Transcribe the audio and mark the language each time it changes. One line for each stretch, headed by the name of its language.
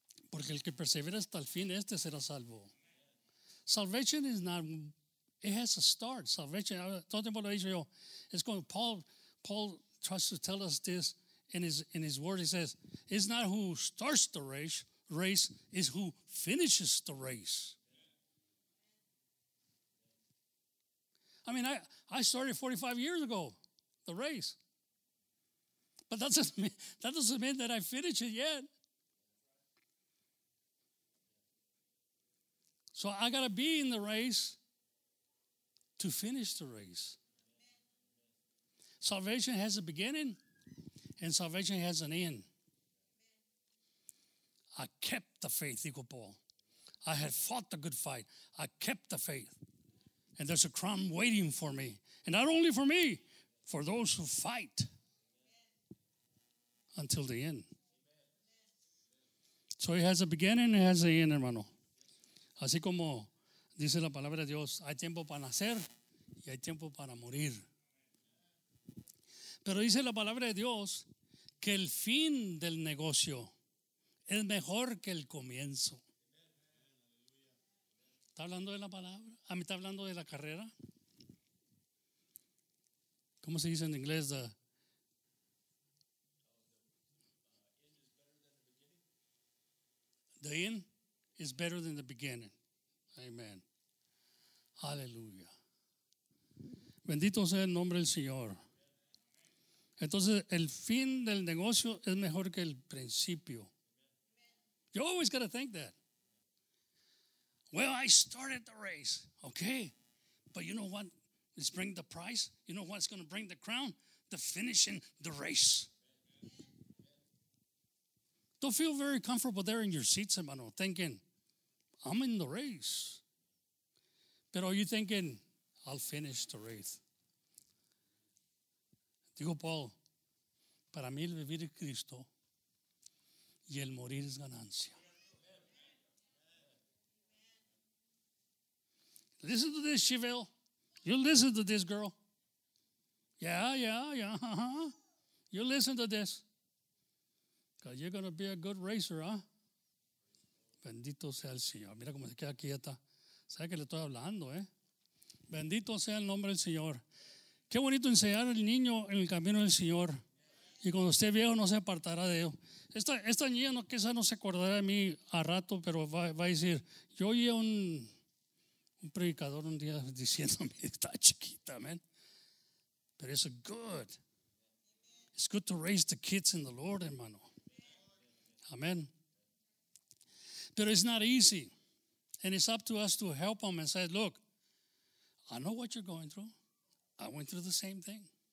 Spanish: Porque el que persevera hasta el fin, este será salvo.
English: Salvation is not, it has a start.
Spanish: Salvation, todo el tiempo lo he dicho yo.
English: It's going, Paul tries to tell us this in his word. He says, it's not who starts the race, it's who finishes the race. I mean, I started 45 years ago, the race. But that doesn't mean that I finished it yet. So I got to be in the race to finish the race. Salvation has a beginning and salvation has an end. I kept the faith, dijo Paul. I had fought the good fight. I kept the faith. And there's a crown waiting for me. And not only for me, for those who fight until the end. So it has a beginning and it has an end, hermano.
Spanish: Así como dice la palabra de Dios, hay tiempo para nacer y hay tiempo para morir. Pero dice la palabra de Dios que el fin del negocio es mejor que el comienzo. ¿Está hablando de la palabra? ¿A mí está hablando de la carrera? ¿Cómo se dice en inglés?
English: The end is better than the beginning. Amen. Hallelujah.
Spanish: Bendito sea el nombre del Señor. Entonces, el fin del negocio es mejor que el principio.
English: You always got to think that. Well, I started the race. Okay. But you know what? It's bringing the prize. You know what's going to bring the crown? The finishing the race. Don't feel very comfortable there in your seats, hermano, thinking, I'm in the race. Pero are you thinking, I'll finish the race?
Spanish: Digo, Paul, para mí el vivir es Cristo y el morir es ganancia.
English: Listen to this, Cheville. You listen to this, girl. Yeah. Uh-huh. You listen to this. Because you're going to be a good racer, huh?
Spanish: Bendito sea el Señor. Mira cómo se queda quieta. Sabe que le estoy hablando, eh? Bendito sea el nombre del Señor. Qué bonito enseñar al niño en el camino del Señor. Y cuando esté viejo, no se apartará de él. Esta niña no, quizá no se acordará de mí a rato, pero va a decir, yo oí a un predicador un día diciéndome, está chiquita, man. Pero es good.
English: It's good to raise the kids in the Lord, hermano. Amén. Pero it's not easy. And it's up to us to help them and say, look, I know what you're going through. I went through the same thing.